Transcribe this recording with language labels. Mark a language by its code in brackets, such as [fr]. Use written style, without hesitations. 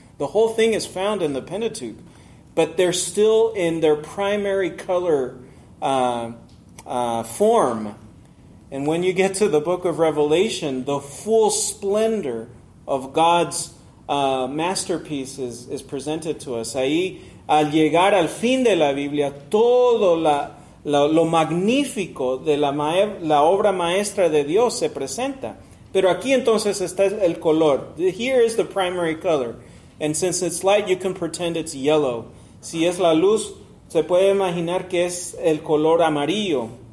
[en] The whole thing is found in the Pentateuch, but they're still in their primary color form. And when you get to the book of Revelation, the full splendor of God's masterpiece is presented to us. [es] Ahí, al llegar al fin de la Biblia, todo lo magnífico de la obra maestra de Dios se presenta. Pero aquí entonces está el color. [en] Here is the primary color. And since it's light, you can pretend it's yellow. [es] Si es la luz, se puede imaginar que es el color amarillo.